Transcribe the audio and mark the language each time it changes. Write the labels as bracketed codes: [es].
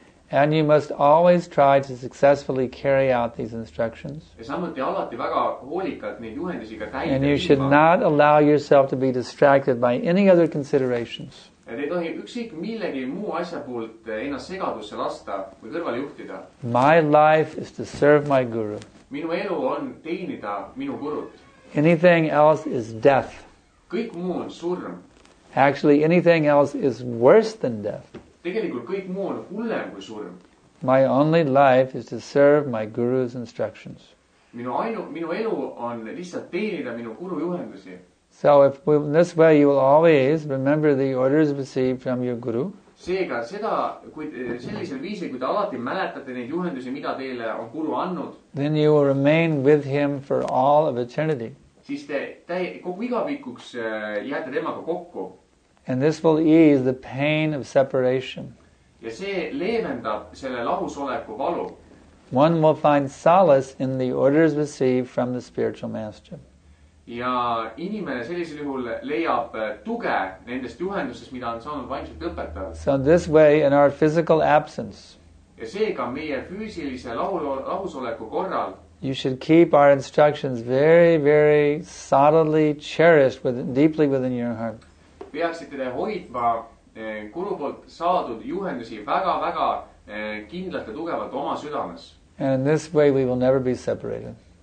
[en] And you must always try to successfully carry out these instructions. And you should not allow yourself to be distracted by any other considerations. [et] Et ei tohi üksik millegi muu asja poolt ennast segadusse lasta või kõrvale juhtida. [en] My life is to serve my guru. [et] Minu elu on teenida minu gurut. [en] Anything else is death. [et] Kõik muu on surm. [en] Actually, anything else is worse than death. [et] Tegelikult kõik muu on hullem kui surm. [en] My only life is to serve my guru's instructions. [et] Minu elu on lihtsalt teenida minu guru juhendusi. [en] So if we, in this way you will always remember the orders received from your guru. [et] Seega seda, kui sellisel viisil, kui te alati mäletate neid juhendusi, mida teile on guru annud, [en] then you will remain with him for all of eternity. [et] Siis te kogu igavikuks jääte temaga kokku. [en] And this will ease the pain of separation. [et] Ja see leevendab selle lahusoleku valu. [en] One will find solace in the orders received from the spiritual master. [et] Ja inimene sellisel juhul leiab tuge nendest juhendustest, mida on saanud vaimselt õpetada. [en] So this way in our physical absence. [et] Ja seega meie füüsilise lahusoleku korral. [en] You should keep our instructions very, very solidly cherished deeply within your heart. [et] Peaksite te hoidma guru poolt saadud juhendusi väga, väga kindlalt ja tugevalt oma südames. [en] And in this way we will never be separated.